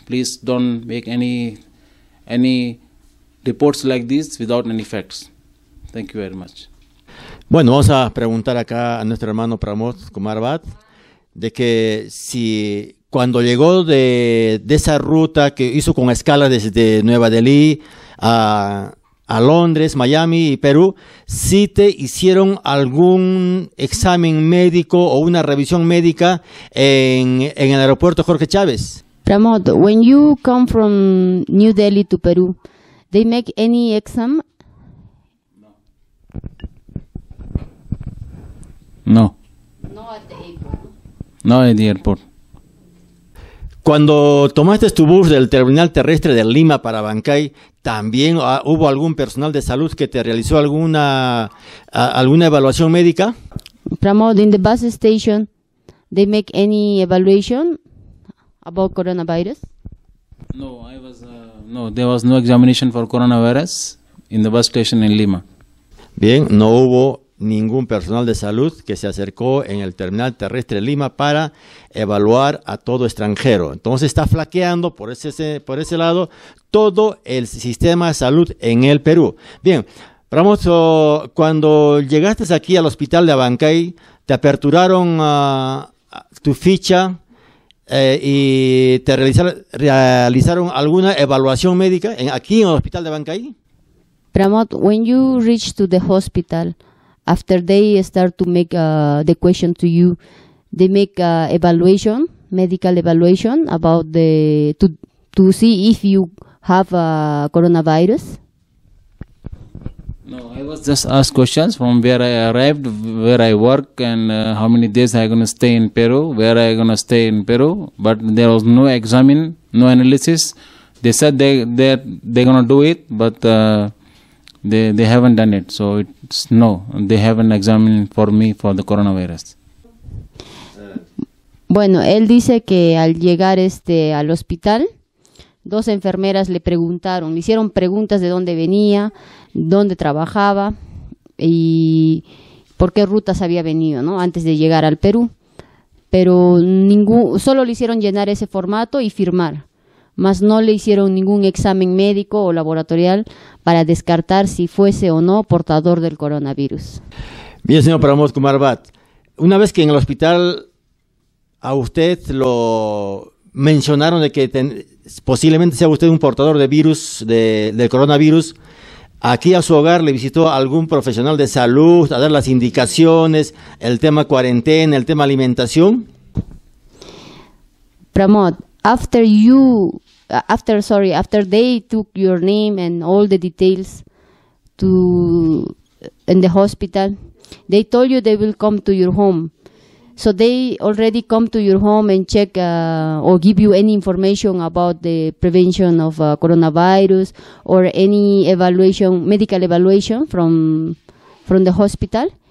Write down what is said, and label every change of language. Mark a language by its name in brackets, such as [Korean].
[English] Please don't make any reports like this without any facts. Thank you very much. [Spanish] Bueno, vamos a preguntar acá a nuestro hermano Pramod Kumar Bhatt de que si cuando llegó de esa ruta que hizo con escala desde Nueva Delhi a Londres, Miami y Perú, si te hicieron algún examen médico o una revisión médica en el aeropuerto Jorge Chávez. [English] Pramod, when you come from New Delhi to Peru, they make any exam? No. No at the airport. No at the airport. [Spanish] Cuando tomaste tu bus del terminal terrestre de Lima para Abancay, ¿también hubo algún personal de salud que te realizó alguna evaluación médica? [English] Pramod, in the bus station, they make any evaluation about coronavirus? No, there was no examination for coronavirus in the bus station in Lima. [Spanish] Bien, no hubo ningún personal de salud que se acercó en el terminal terrestre de Lima para evaluar a todo extranjero. Entonces está flaqueando por ese lado todo el sistema de salud en el Perú. Bien, Ramos, cuando llegaste aquí al hospital de Abancay, te aperturaron tu ficha y te realizaron alguna evaluación médica aquí en el hospital de Abancay. [English] Pramod, when you reach to the hospital, after they start to make the question to you, they make evaluation, medical evaluation about to see if you have a coronavirus. No, I was just asked questions from where I arrived, where I work, and how many days I gonna stay in Peru, where I gonna stay in Peru. But there was no examine, no analysis. They said they gonna do it, but they haven't done it. So it's no, they haven't examined for me for the coronavirus. [Spanish] Bueno, él dice que al llegar al hospital, dos enfermeras le hicieron preguntas de dónde venía, dónde trabajaba y por qué rutas había venido, ¿no? Antes de llegar al Perú. Pero solo le hicieron llenar ese formato y firmar. Mas no le hicieron ningún examen médico o laboratorial para descartar si fuese o no portador del coronavirus. Bien, señor Pramod Kumar Bhatt, una vez que en el hospital a usted lo mencionaron de que posiblemente sea usted un portador de virus, del coronavirus, aquí a su hogar le visitó algún profesional de salud a dar las indicaciones, el tema cuarentena, el tema alimentación. [English] Pramod, after they took your name and all the details to in the hospital, they told you they will come to your home. So they already come to your home and check or give you any information about the prevention of coronavirus or any evaluation, medical evaluation from the hospital.